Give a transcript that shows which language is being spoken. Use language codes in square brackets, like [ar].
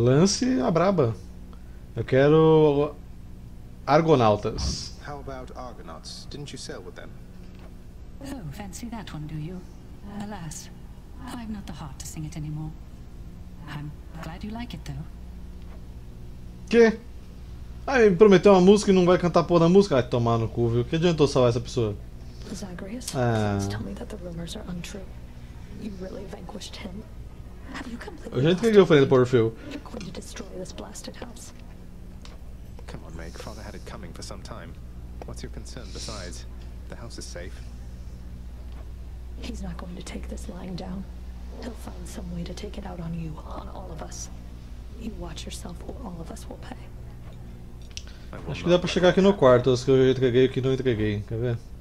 [pt] Lance a braba. Eu quero Argonautas. [en] How about Argonauts? Didn't you sail with them? Oh, fancy that one, do you? Alas, I've not the heart to sing it anymore. I'm glad you like it, though. [pt] Que? Ah, ele me prometeu uma música e não vai cantar porra da música? Vai tomar no cu, viu? Que adiantou salvar essa pessoa? [en] Zagreus, please tell me that the rumors are untrue. You really vanquished him. Have you completely? [pt] A gente que eu falei do Porfil. [en] You're going to destroy this blasted house. Come on, Meg. Father had it coming for some time. What's your concern besides? The house is safe. He's not going to take this lying down. He'll find some way to take it out on you, on all of us. You watch yourself or all of us will pay. [pt] Acho que dá pra chegar aqui no quarto, os que eu entreguei e o que não entreguei, quer ver?